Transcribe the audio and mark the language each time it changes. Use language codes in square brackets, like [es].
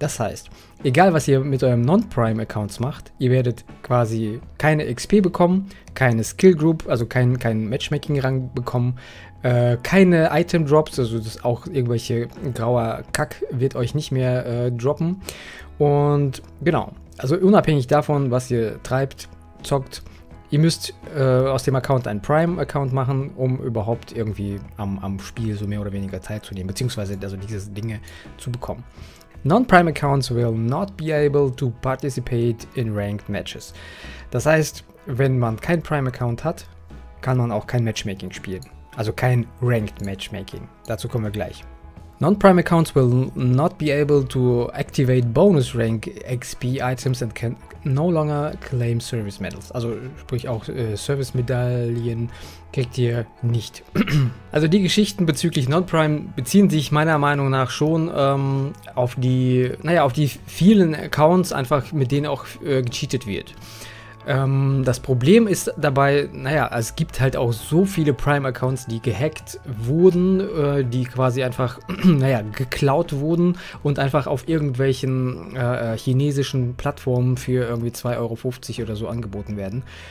[de] Das heißt, egal was ihr mit eurem Non-Prime Accounts macht, ihr werdet quasi keine XP bekommen, keine Skill Group, also kein Matchmaking Rang bekommen, keine Item Drops, also das auch irgendwelche grauer Kack wird euch nicht mehr droppen. Und genau, also unabhängig davon, was ihr treibt, zockt, ihr müsst aus dem Account einen Prime-Account machen, um überhaupt irgendwie am Spiel so mehr oder weniger teilzunehmen, beziehungsweise also diese Dinge zu bekommen. [en] Non-Prime-Accounts will not be able to participate in ranked matches. [de] Das heißt, wenn man keinen Prime-Account hat, kann man auch kein Matchmaking spielen. Also kein ranked Matchmaking. Dazu kommen wir gleich. [en] Non-Prime Accounts will not be able to activate bonus rank XP items and can no longer claim service medals. [de] Also sprich auch Service Medaillen kriegt ihr nicht. Also die Geschichten bezüglich Non-Prime beziehen sich meiner Meinung nach schon auf die vielen Accounts, einfach mit denen auch gecheatet wird. Das Problem ist dabei, es gibt halt auch so viele Prime-Accounts, die gehackt wurden, die quasi einfach, geklaut wurden und einfach auf irgendwelchen chinesischen Plattformen für irgendwie 2,50 Euro oder so angeboten werden.